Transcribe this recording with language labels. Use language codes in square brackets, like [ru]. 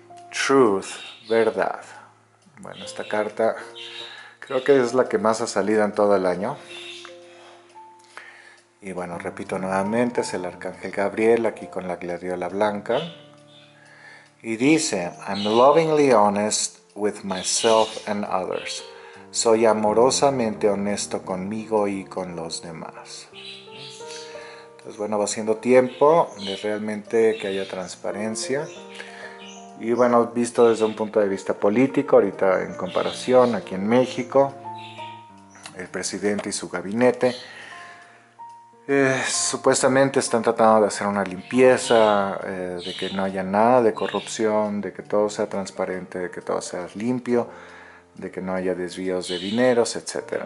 [es] Truth, verdad. Bueno, esta carta creo que es la que más ha salido en todo el año. Y bueno, repito nuevamente, es el Arcángel Gabriel aquí con la gladiola blanca. Y dice, [en] I'm lovingly honest with myself and others. [es] Soy amorosamente honesto conmigo y con los demás. Pues bueno, va siendo tiempo de realmente que haya transparencia. Y bueno, visto desde un punto de vista político, ahorita en comparación aquí en México, el presidente y su gabinete supuestamente están tratando de hacer una limpieza, de que no haya nada de corrupción, de que todo sea transparente, de que todo sea limpio, de que no haya desvíos de dineros, etcétera.